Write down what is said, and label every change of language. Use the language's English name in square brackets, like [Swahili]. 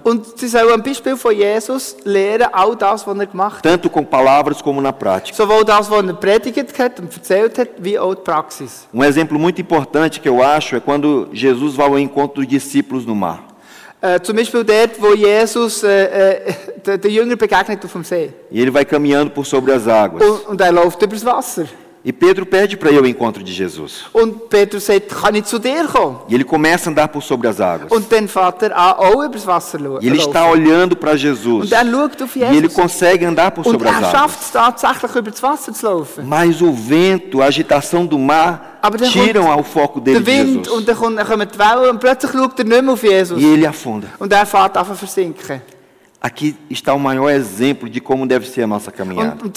[German] Und sie sollen am Beispiel von Jesus lernen, all das, was er gemacht hat. [Portuguese] Tanto com palavras como na prática. [German] Sowohl das, was er predigt hat und erzählt hat, wie auch die Praxis. [Portuguese] Exemplo muito importante que eu acho é quando Jesus vai ao encontro dos discípulos no mar. [German] Zum Beispiel dort, wo Jesus den Jüngern begegnet auf dem See. [Portuguese] E ele vai caminhando por sobre as águas. [German] Und er läuft über das Wasser. [Portuguese] E Pedro pede para ir ao encontro de Jesus. [German] Und Pedro sagt, kann ich zu dir kommen? [Portuguese] E ele começa a andar por sobre as águas. [German] Und dann fährt er auch über das Wasser. [Portuguese] E ele está olhando para Jesus. [German] Und er schaut auf Jesus. [Portuguese] E ele consegue andar por sobre as águas. [German] Und er schafft es tatsächlich, über das Wasser zu laufen. [Portuguese] Mas o vento, a agitação do mar, tiram o foco dele de Jesus. [German] Und dann kommen die Wellen und plötzlich schaut er nicht mehr auf Jesus. [Portuguese] E ele afunda. [German] Und er fährt auf ein Versinken. [Portuguese] Aqui está o maior exemplo de como deve ser a nossa caminhada.